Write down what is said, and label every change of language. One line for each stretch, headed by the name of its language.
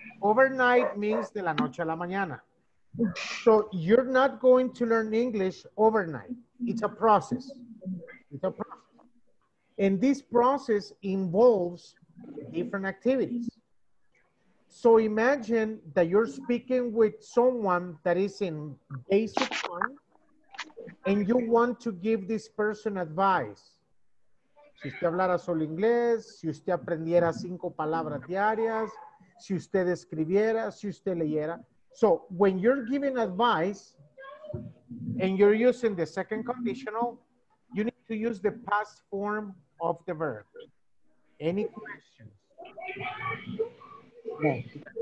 English: Overnight means
Spanish: de la noche a la mañana.
English: So you're not going to learn English overnight. It's a process. It's a process. And this process involves different activities. So imagine that you're speaking with someone that is in basic one, and you want to give this person advice.
Spanish: Si usted hablara solo inglés, si usted aprendiera cinco palabras diarias, si usted escribiera, si usted leyera.
English: So when you're giving advice and you're using the second conditional, you need to use the past form of the verb. Any questions?